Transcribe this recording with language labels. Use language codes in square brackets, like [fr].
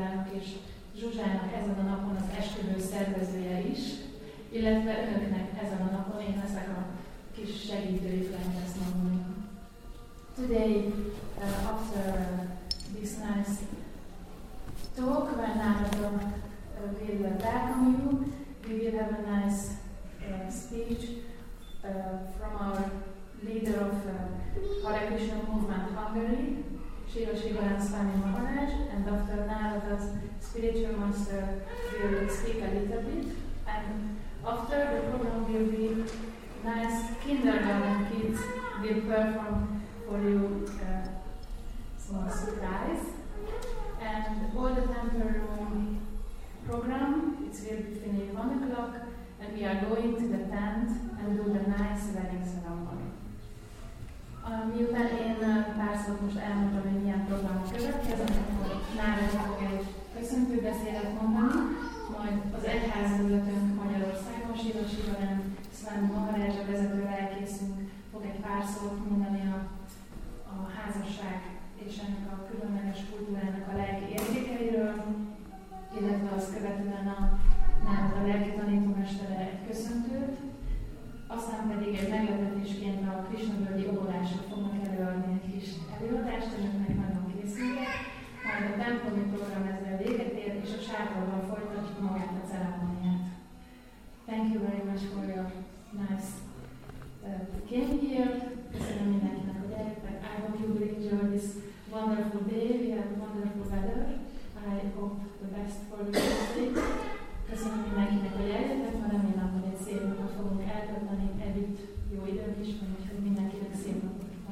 [hu] és Zsuzsának ezen a napon az esküvő szervezője is, illetve önöknek ezen a napon én leszek a kis segítőjük, lehet ezt mondani. [en] Today, after this nice talk, when Národon will welcome you, we will have a nice speech from our leader of Hare Krishna Movement Hungary, Shiva Shivaran Swami Maharaj, and after Národon's spiritual master will speak a little bit, and after the program will be nice kindergarten kids will perform for you small surprise. And all the temple room program, it will be finished at 1 o'clock, and we are going to the tent and do the nice wedding ceremony. [hu] Miután én pár szót most elmondom, hogy milyen program következik, akkor Nára fog egy köszöntő beszélet mondani, majd az egyházvezetőnk Magyarországon, Shiva Shivaran Swami Maharaj, a vezető lelkészünk fog egy pár szót mondani a házasság és ennek a különleges kultúrának a lelki értékeiről, illetve azt követően a lelki tanítómestere egy köszöntőt, aztán pedig egy meglepetésként a Krisna-völgyi óvodások fognak előadni egy kis előadást, ezeknek nagyon készültek, majd a templomi program ezzel véget ér, és a sátorban folytatjuk magát a ceremóniát. [en] Thank you very much for your nice came here. [hu] Köszönöm mindenkinek, hogy eljöttek. [en] I hope you will enjoy this wonderful day. We have wonderful weather. I hope the best for you all day. [hu] Köszönöm mindenkinek, hogy eljöttek. Ma remélem, hogy egy szép napot fogunk eltölteni. Együtt jó időt is van, úgyhogy mindenkinek szép napot.